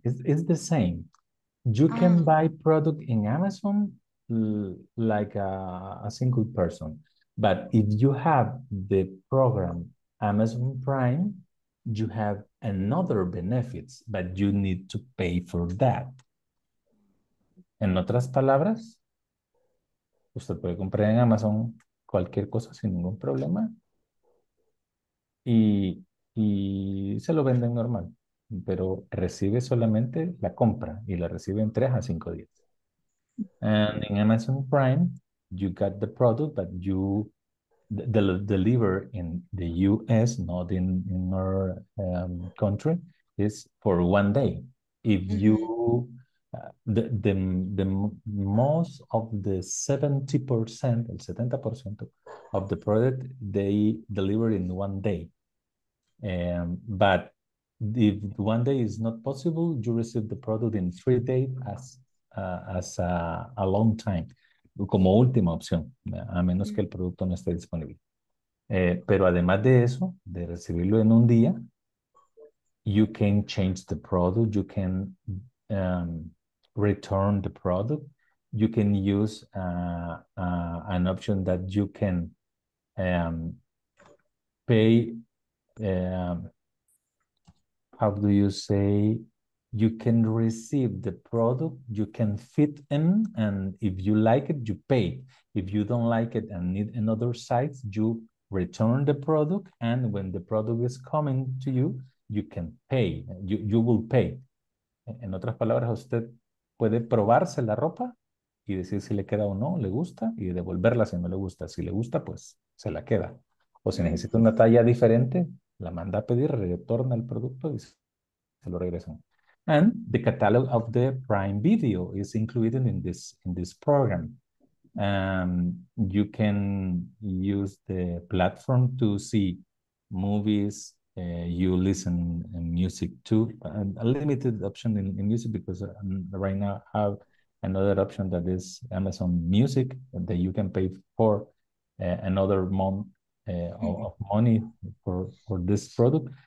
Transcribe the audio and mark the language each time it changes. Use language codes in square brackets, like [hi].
[en] It's the same. You can buy product in Amazon like a single person. But if you have the program Amazon Prime, you have another benefits, but you need to pay for that. [es] En otras palabras, usted puede comprar en Amazon cualquier cosa sin ningún problema y se lo venden normal, pero recibe solamente la compra y la recibe en 3 a 5 días. [en] And in Amazon Prime, you got the product, but you deliver in the US, not in our country, is for 1 day. If you the most of the 70%, el 70% of the product, they deliver in 1 day. But if 1 day is not possible, you receive the product in 3 days as a long time. [es] Como última opción, a menos que el producto no esté disponible. Pero además de eso, de recibirlo en un día, [en] you can change the product, you can return the product, you can use an option that you can pay, how do you say, you can receive the product, you can fit in, and if you like it, you pay. If you don't like it and need another size, you return the product, and when the product is coming to you, you can pay, you will pay. [es] En otras palabras, usted puede probarse la ropa y decir si le queda o no, le gusta, y devolverla si no le gusta. Si le gusta, pues se la queda. O si necesita una talla diferente, la manda a pedir, retorna el producto y se lo regresan. [en] And the catalog of the Prime Video is included in this program. You can use the platform to see movies. You listen in music too. A limited option in music because right now I have another option that is Amazon Music that you can pay for another month of money for this product.